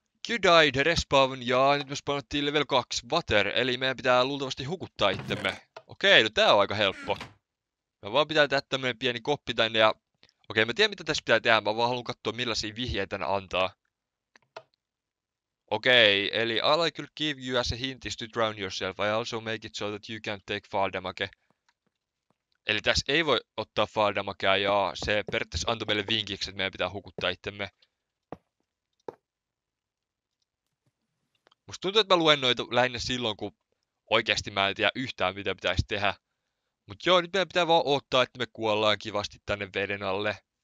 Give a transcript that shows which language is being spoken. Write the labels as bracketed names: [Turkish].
[English] You died, respawn, [Finnish] ja nyt me spawnattiin [English] level 2 water. [Finnish] Eli meidän pitää luultavasti hukuttaa itsemme. Okei, no tää on aika helppo. Mä vaan pitää tehdä tämmönen pieni koppi tänne ja okei, mä tiedän mitä tässä pitää tehdä, mä vaan haluan katsoa millaisia vihjeitä ne antaa. Okei, eli [English] all I could give you as a hint is to drown yourself. I also make it so that you can't take fall damage. [Finnish] Eli tässä ei voi ottaa fall damagea ja se periaatteessa antoi meille vinkiksi, että meidän pitää hukuttaa itsemme. Musta tuntuu, että mä luen noita lähinnä silloin, kun oikeasti mä en tiedä yhtään mitä pitäisi tehdä. Mut joo, nyt meidän pitää vaan odottaa, että me kuollaan kivasti tänne veden alle.